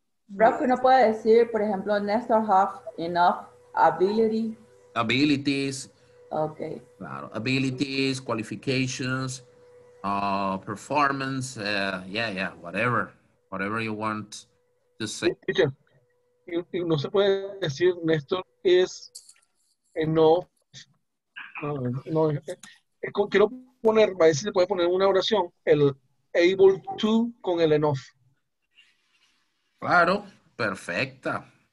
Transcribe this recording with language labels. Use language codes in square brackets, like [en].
[es] Rafa, uno puede decir, por ejemplo, Néstor [en] has enough abilities. Okay. [es] Claro. [en] Abilities, qualifications, performance, whatever you want to say. [es] Teacher, y no se puede decir Néstor [en] is enough. [es] No. Quiero poner, a ver si se puede poner una oración, el able to con el enough. Claro, perfecta.